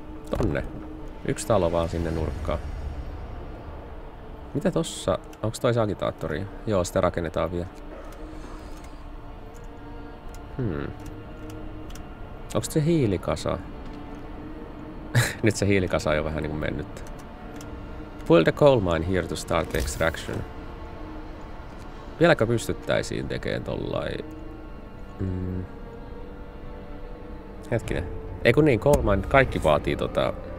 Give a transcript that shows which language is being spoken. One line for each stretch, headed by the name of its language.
Finnish: Tonne. Yksi talo vaan sinne nurkkaan. Mitä tossa? Onks toi se agitaattori? Joo, sitä rakennetaan vielä. Onks se hiilikasa? Nyt se hiilikasa on jo vähän niinku mennyt.
English: Pull the coal mine here to start the extraction.
Finnish: Vieläkö pystyttäisiin tekemään tollai? Hetkinen. Ei kun niin, coal mine kaikki vaatii tota.